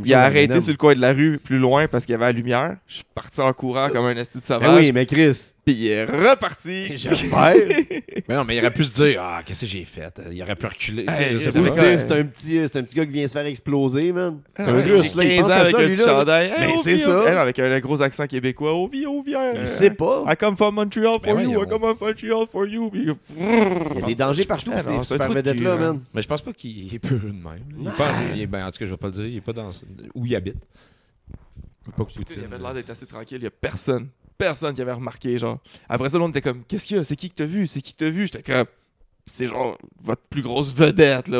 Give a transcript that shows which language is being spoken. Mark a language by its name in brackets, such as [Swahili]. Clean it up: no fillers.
[French] chose. Il a arrêté sur le coin de la rue plus loin parce qu'il y avait la lumière. Je suis parti en courant comme un esti de sauvage. Mais oui, mais Chris. Puis il est reparti. J'espère. Mais non, mais il aurait pu se dire ah, qu'est-ce que j'ai fait. Il aurait pu reculer. C'est un petit gars qui vient se faire exploser, man. Ah, un russe, là. 15 ans avec ça, un petit chandail. Hey, mais oh, c'est ça. Elle, avec un gros accent québécois. Oh, vie, oh, viens. Il sait pas. [English] I come from Montreal for you. I come from Montreal for you. [French] Il y a des dangers partout. Ça permet d'être là, man. Mais je pense pas qu'il est peu de même. En tout cas, je vais pas le dire. Il est pas dans où il habite. pas que Poutine. Il avait l'air d'être assez tranquille. Il y a personne. Personne qui avait remarqué, genre. Après ça, le monde était comme, qu'est-ce qu'il y a? C'est qui que t'as vu? C'est qui que t'as vu? J'étais comme, c'est genre votre plus grosse vedette, là.